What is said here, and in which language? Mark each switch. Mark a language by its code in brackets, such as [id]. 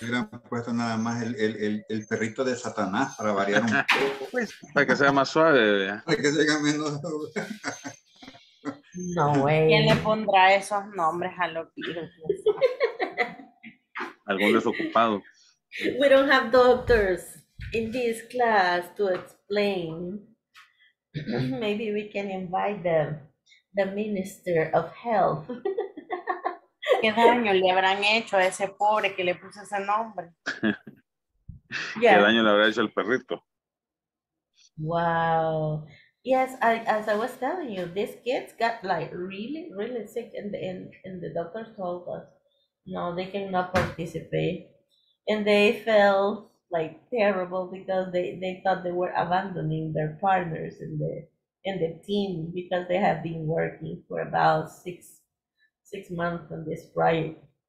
[es] Hubieran puesto nada más el perrito de Satanás para variar un poco. Pues, para que sea más suave, ¿verdad? Para que sea menos. No, güey. ¿Quién le pondrá esos nombres a los virus? Algún desocupado. [en] We don't have doctors in this class to explain. Maybe we can invite them, the Minister of Health. [es] ¿Qué daño le habrán hecho a ese pobre que le puso ese nombre? Yeah. ¿Qué daño le habrá hecho al perrito? [en] Wow. Yes, as I was telling you, these kids got like really, really sick, and the doctor told us, no, they cannot participate. And they felt like terrible because they thought they were abandoning their partners in the team, because they have been working for about six months on this project.